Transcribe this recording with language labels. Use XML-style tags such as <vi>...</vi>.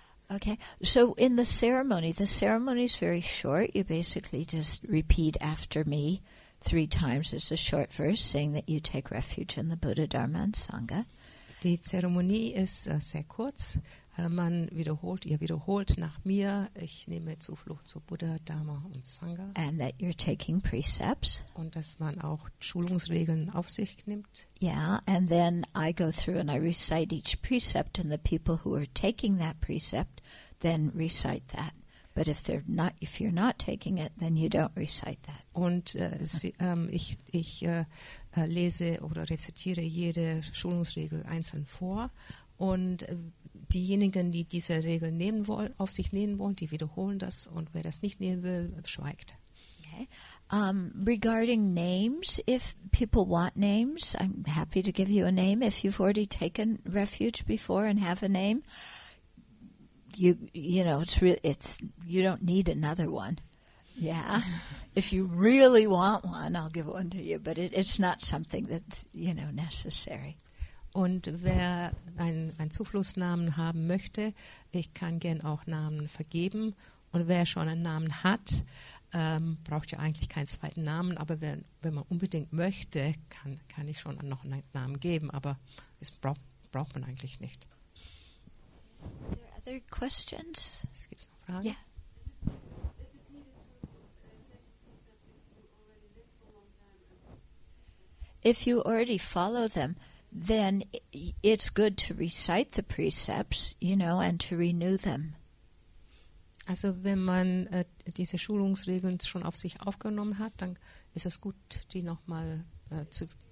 <en>Okay, so in the ceremony is very short. You basically just repeat after me three times. It's a short verse saying that you take refuge in the Buddha, Dharma and Sangha.</en> <de>Die Zeremonie ist sehr kurz. Man wiederholt, ihr wiederholt nach mir, ich nehme Zuflucht zu Buddha, Dharma und Sangha.</de> <en>And that you're taking precepts.</en> <de>Und dass man auch Schulungsregeln auf sich nimmt.</de> <en>Yeah, and then I go through and I recite each precept and the people who are taking that precept then recite that. But if you're not taking it, then you don't recite that.</en> <de>Und ich lese oder rezitiere jede Schulungsregel einzeln vor. Und diejenigen, die diese Regel nehmen wollen, auf sich nehmen wollen, die wiederholen das. Und wer das nicht nehmen will, schweigt.</de> <en>Okay. Regarding names, if people want names, I'm happy to give you a name. If you've already taken refuge before and have a name, you don't need another one. Yeah. If you really want one, I'll give one to you. But it's not something that's, you know, necessary.</en> <de>Und wer einen Zufluchtsnamen haben möchte, ich kann gern auch Namen vergeben. Und wer schon einen Namen hat, braucht ja eigentlich keinen zweiten Namen. Aber wenn man unbedingt möchte, kann ich schon noch einen Namen geben. Aber das braucht man eigentlich nicht.</de> <en>Are there other questions?</en> <de>Es gibt noch Fragen?</de> <en>Yeah. If you already follow them, then it's good to recite the precepts, you know, and to renew them.</en> <de>Also wenn man diese Schulungsregeln schon auf sich aufgenommen hat, dann ist es gut, die nochmal zu...</de>